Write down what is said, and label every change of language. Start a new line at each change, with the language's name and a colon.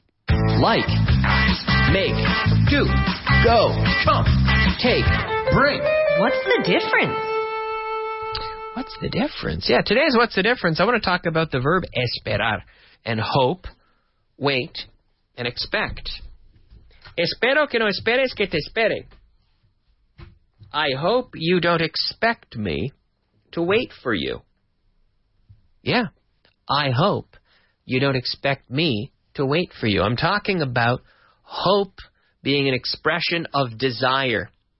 English: Like, make, do, go, come, take, bring. What's the difference? What's the difference? Yeah, today's What's the Difference. I want to talk about the verb esperar and hope, wait, and expect.
Spanish: Espero que no esperes que te espere.
English: I hope you don't expect me to wait for you. Yeah, I hope you don't expect me to wait for you. I'm talking about hope being an expression of desire.